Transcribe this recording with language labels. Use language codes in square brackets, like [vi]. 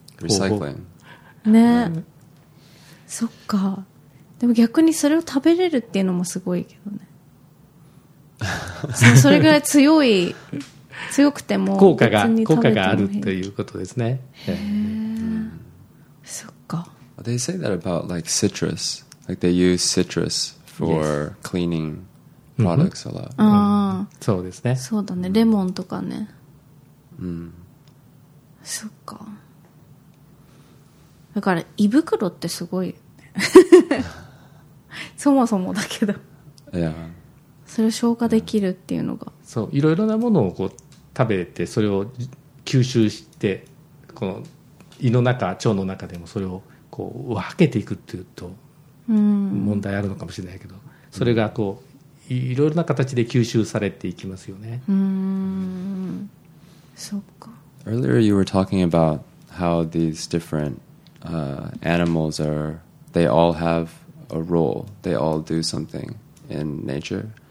[ja] リサイクリングね、うん、そっか。でも逆にそれを食べれるっていうのもすごいけどねそれぐらい強い強くても効果が、効果があるということですね。へえ、うん、そっか。 [en] They say that about like citrus, like they use citrusfor cleaning products a lot. [ja] そうですね。そうだね。レモンとかね。うん。そっか。だから胃袋ってすごい。そもそもだけど。いや。それを消化できるっていうのが。そう、いろいろなものをこう食べてそれを吸収してこの胃の中、腸の中でもそれをこう分けていくっていうと。うん、問題あるのかもしれないけど、それがこういろいろな形で吸収されていきますよね。うん、そっか。 [en] Earlier you were talking about how these different animals are, they all have a role, they all do something in nature.